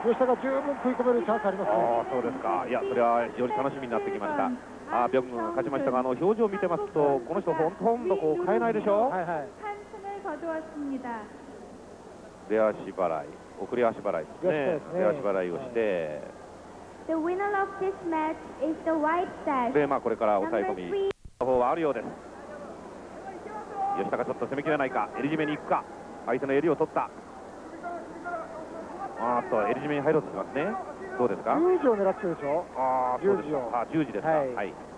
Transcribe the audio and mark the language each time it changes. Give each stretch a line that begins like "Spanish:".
Japanese: 吉田が十分食い込めるチャンスありますね。そうですか。いやそれは非常に楽しみになってきました。ビョン軍が勝ちましたが、表情を見てますとこの人ほとんどこう変えないでしょ。出足払い、送り足払いですね。出足払いをして、
English: The winner of this match is the white set.
Japanese: で、これから抑え込みの方はあるようです。吉田がちょっと攻めきれないか、襟締めに行くか、相手の襟を取った、あっと襟締めに入ろうとしますね。どうですか、十字を狙ってるでしょ。十字ですか、はい、